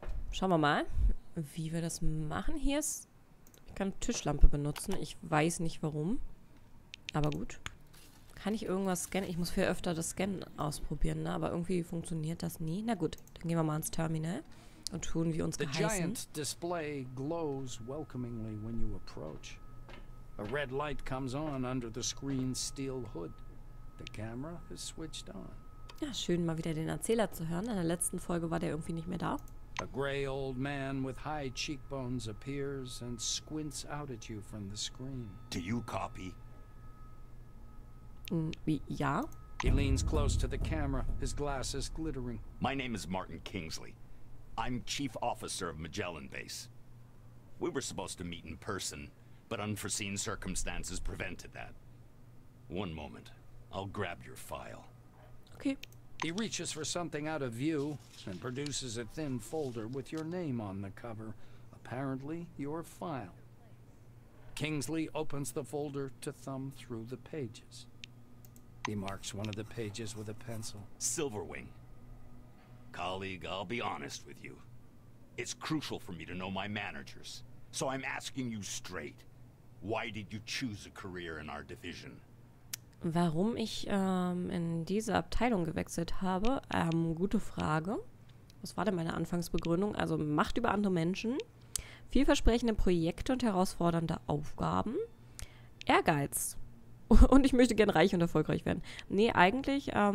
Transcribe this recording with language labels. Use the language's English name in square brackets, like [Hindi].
[German] Schauen wir mal, wie wir das machen. Hier ist... Ich kann Tischlampe benutzen. Ich weiß nicht warum. Aber gut. Kann ich irgendwas scannen? Ich muss viel öfter das Scannen ausprobieren, ne? Aber irgendwie funktioniert das nie. Na gut, dann gehen wir mal ins Terminal. Und tun wie uns geheißen. [English] The giant display glows welcomingly when you approach. A red light comes on under the screen's steel hood. The camera has switched on. [German] Ja, schön mal wieder den Erzähler zu hören. In der letzten Folge war der irgendwie nicht mehr da. [English] A gray old man with high cheekbones appears and squints out at you from the screen. Do you copy? [German] Ja. [English] He leans close to the camera, his glasses glittering. My name is Martin Kingsley. I'm Chief Officer of Magellan Base. We were supposed to meet in person, but unforeseen circumstances prevented that. One moment, I'll grab your file. Okay. He reaches for something out of view and produces a thin folder with your name on the cover. Apparently, your file. Kingsley opens the folder to thumb through the pages. He marks one of the pages with a pencil. Silverwing. Colleague, I'll be honest with you. It's crucial for me to know my managers. So I'm asking you straight. Why did you choose a career in our division? [German] Warum ich in diese Abteilung gewechselt habe? Gute Frage. Was war denn meine Anfangsbegründung? Also Macht über andere Menschen. Vielversprechende Projekte und herausfordernde Aufgaben. Ehrgeiz. Und ich möchte gern reich und erfolgreich werden. Nee, eigentlich...